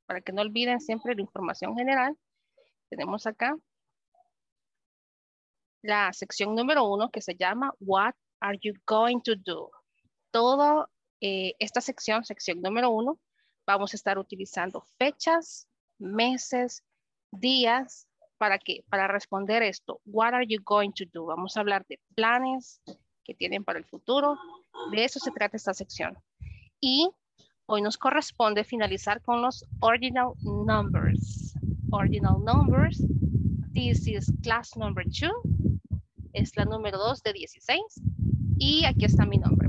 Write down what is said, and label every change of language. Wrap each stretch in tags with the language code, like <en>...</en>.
<es>Para que no olviden siempre la información general. Tenemos acá la sección número uno que se llama</es> <en>What are you going to do?</en> <es>Todo esta sección, sección número uno, vamos a estar utilizando fechas, meses, días, ¿para qué? Para responder esto,</es> <en>what are you going to do?</en> <es>Vamos a hablar de planes que tienen para el futuro, de eso se trata esta sección. Y hoy nos corresponde finalizar con los ordinal numbers. Ordinal numbers,</es> <en>this is class number two,</en> <es>es la número 2 de 16, y aquí está mi nombre.</es>